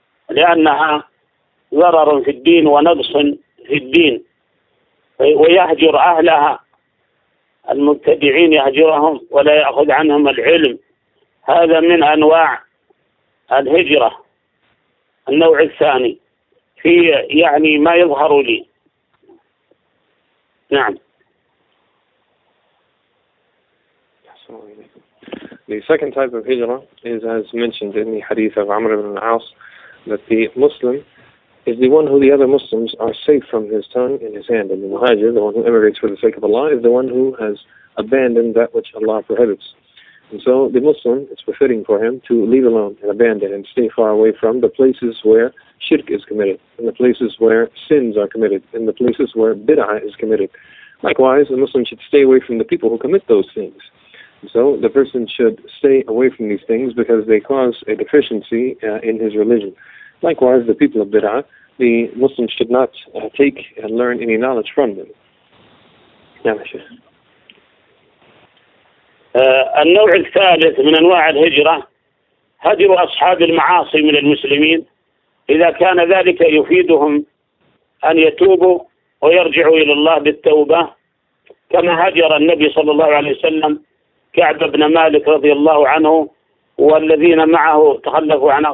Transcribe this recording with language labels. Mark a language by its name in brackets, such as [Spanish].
[Arabic] لأنها ضرر في الدين ونقص في الدين ويهجر أهلها المبتدعين يهجرهم ولا يأخذ عنهم العلم هذا من أنواع الهجرة النوع الثاني في يعني ما يظهر لي نعم [English] The second type of hijrah is as mentioned in the hadith of Amr ibn al-As that the Muslim is the one who the other Muslims are safe from his tongue and his hand. And the Muhajir, the one who immigrates for the sake of Allah, is the one who has abandoned that which Allah prohibits. And so the Muslim, it's befitting for him to leave alone and abandon and stay far away from the places where shirk is committed, and the places where sins are committed, and the places where bid'ah is committed. Likewise, the Muslim should stay away from the people who commit those things. And so the person should stay away from these things because they cause a deficiency in his religion. Likewise, the people of Bid'ah, the Muslims should not take and learn any knowledge from them. Yeah, [Arabic] النوع الثالث من أنواع الهجرة هجر أصحاب المعاصي من المسلمين إذا كان ذلك يفيدهم أن يتوبوا ويرجعوا إلى الله بالتوبة كما هجر النبي صلى الله عليه وسلم كعب بن مالك رضي الله عنه والذين معه تخلفوا